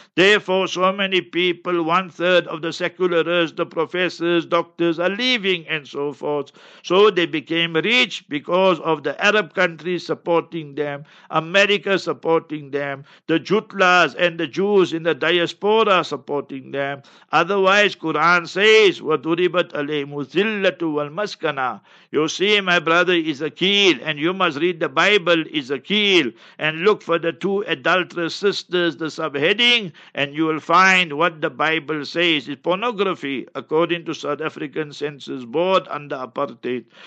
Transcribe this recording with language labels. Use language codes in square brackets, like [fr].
[en] Therefore, so many people, one third of the secularists, the professors, doctors are leaving and so forth. So they became rich because of the Arab countries supporting them, America supporting them, the Jutlas and the Jews in the diaspora supporting them. Otherwise, Quran says, [ar] وَدُرِبَتْ عَلَيْهِمُ الذِّلَّةُ وَالْمَسْكَنَةُ. [en] You see, my brother Ezekiel, and you must read the Bible, Ezekiel, and look for the two adulterous sisters, the subheading, and you will find what the Bible says. It's pornography, according to South African Census Board under apartheid.